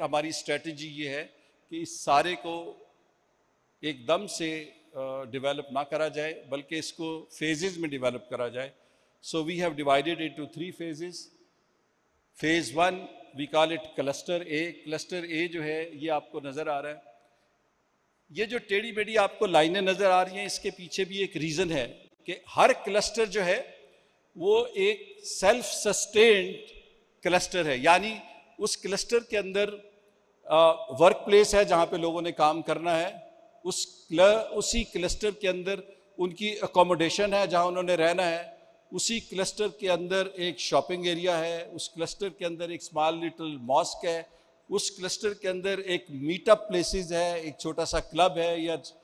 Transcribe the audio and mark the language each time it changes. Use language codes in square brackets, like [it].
[hi] हमारी strategy ये है कि इस सारे को एकदम से develop ना करा जाए, बल्कि इसको phases में develop करा जाए. [en] So we have divided it into 3 phases. Phase 1, we call it cluster A. [hi] Cluster A जो है ये आपको नज़र आ रहा है. ये जो टेढ़ी मेढ़ी आपको लाइनें नज़र आ रही हैं, इसके पीछे भी एक reason है कि हर cluster जो है वो एक सेल्फ सस्टेन्ड क्लस्टर है. यानी उस क्लस्टर के अंदर वर्क प्लेस है जहाँ पे लोगों ने काम करना है, उसी क्लस्टर के अंदर उनकी अकोमोडेशन है जहाँ उन्होंने रहना है, उसी क्लस्टर के अंदर एक शॉपिंग एरिया है, उस क्लस्टर के अंदर एक स्मॉल लिटल मॉस्क है, उस क्लस्टर के अंदर एक मीटअप प्लेसेस है, एक छोटा सा क्लब है या